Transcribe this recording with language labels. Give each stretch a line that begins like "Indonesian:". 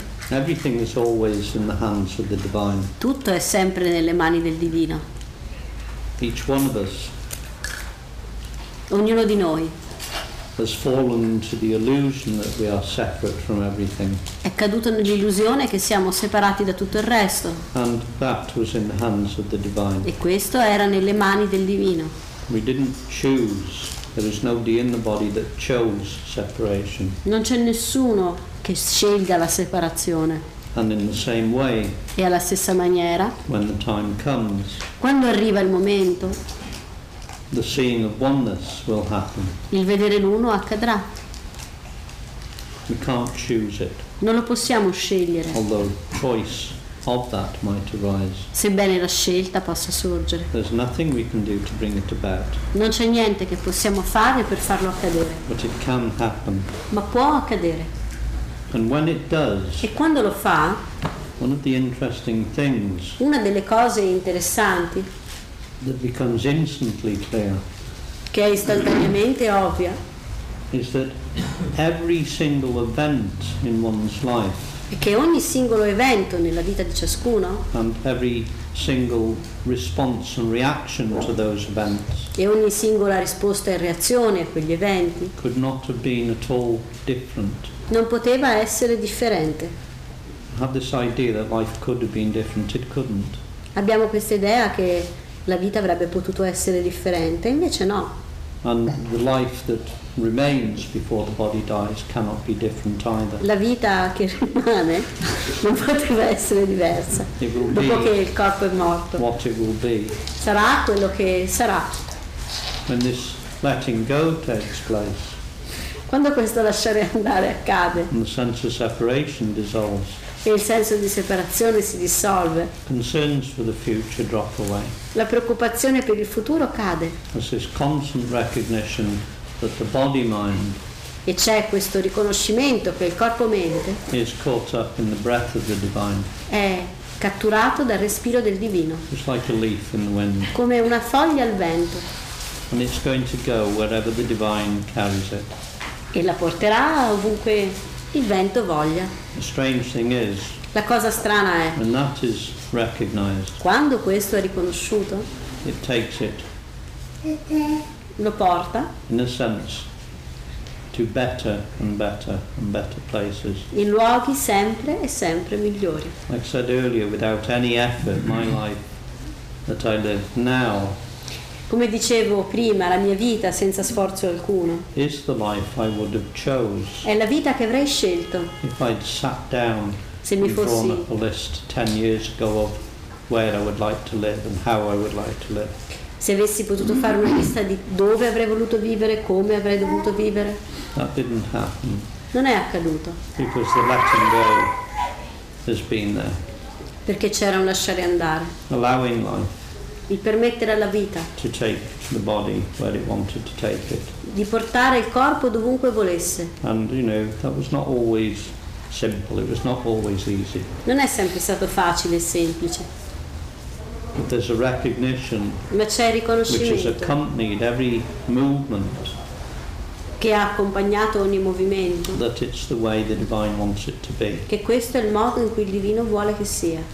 English: Everything is always in the hands of the divine.
Italian: Tutto è sempre nelle mani del divino.
English: Each one of us.
Italian: Ognuno di noi.
English: Has fallen into the illusion that we are separate from everything.
Italian: È caduto nell'illusione che siamo separati da tutto il resto.
English: And that was in the hands of the divine.
Italian: E questo era nelle mani del divino.
English: We didn't choose. There is nobody in the body that chose separation.
Italian: Non c'è nessuno che scelga la separazione.
English: And in the same way.
Italian: E alla stessa maniera.
English: When the time comes.
Italian: Quando arriva il momento.
English: The seeing of oneness will happen.
Italian: Il vedere l'uno accadrà.
English: We can't choose it.
Italian: Non lo possiamo scegliere.
English: Although choice of that might arise.
Italian: Sebbene la scelta possa sorgere.
English: There's nothing we can do to bring it about.
Italian: Non c'è niente che possiamo fare per farlo accadere.
English: But it can happen.
Italian: Ma può accadere.
English: And when it does.
Italian: E quando lo fa.
English: One of the interesting things.
Italian: Una delle cose interessanti.
English: That becomes instantly clear.
Italian: Che è istantaneamente ovvia.
English: Is that every single event in one's life.
Italian: E che ogni singolo evento nella vita di ciascuno.
English: And every single response and reaction to those events.
Italian: E ogni singola risposta e reazione a quegli eventi.
English: Could not have been at all different.
Italian: Non poteva essere differente.
English: I have this idea that life could have been different. It couldn't.
Italian: Abbiamo questa idea che la vita avrebbe potuto essere differente, invece no.
English: And the life that remains before the body dies cannot be different either.
Italian: La vita che rimane non poteva essere diversa dopo che il corpo è morto.
English: What it will be.
Italian: Sarà quello che sarà.
English: When this letting go takes place.
Italian: Quando questo lasciare andare accade.
English: And the sense of separation dissolves.
Italian: E il senso di separazione si dissolve.
English: Concerns for the future drop away.
Italian: La preoccupazione per il futuro cade.
English: This constant recognition that the body mind.
Italian: e c'è questo riconoscimento che il corpo mente
English: is caught up in the breath of the divine.
Italian: È catturato dal respiro del divino.
English: It's like a leaf in the wind.
Italian: Come una foglia al vento.
English: And it's going to go wherever the divine carries it.
Italian: E la porterà ovunque il vento voglia.
English: The strange thing is,
Italian: la cosa strana è,
English: when that is recognized,
Italian: quando questo è riconosciuto,
English: it takes it,
Italian: lo porta,
English: in a sense, to better and better and better places.
Italian: In luoghi sempre e sempre migliori.
English: Like I said earlier, without any effort, my life that I live now.
Italian: Come dicevo prima, la mia vita senza sforzo alcuno.
English: Is the life I would have chose.
Italian: È la vita che avrei scelto.
English: If I'd sat down.
Italian: Se mi fossi.
English: Drawn up a list 10 years ago of where I would like to live and how I would like to live.
Italian: Se avessi potuto fare una lista di dove avrei voluto vivere, come avrei dovuto vivere.
English: That didn't happen.
Italian: Non è accaduto.
English: Because the letting go has been there.
Italian: Perché c'era un lasciare andare.
English: Allowing life.
Italian: Il permettere alla vita
English: to take the body where it wanted to take it.
Italian: Di portare il corpo dovunque volesse.
English: And you know, that was not always simple, it was not always easy.
Italian: Non è sempre stato facile e semplice.
English: But there's a recognition.
Italian: Ma c'è il riconoscimento.
English: Which has accompanied every movement.
Italian: Che ha accompagnato ogni movimento.
English: That it's the way the divine wants it to be.
Italian: Che questo è il modo in cui il divino vuole che sia.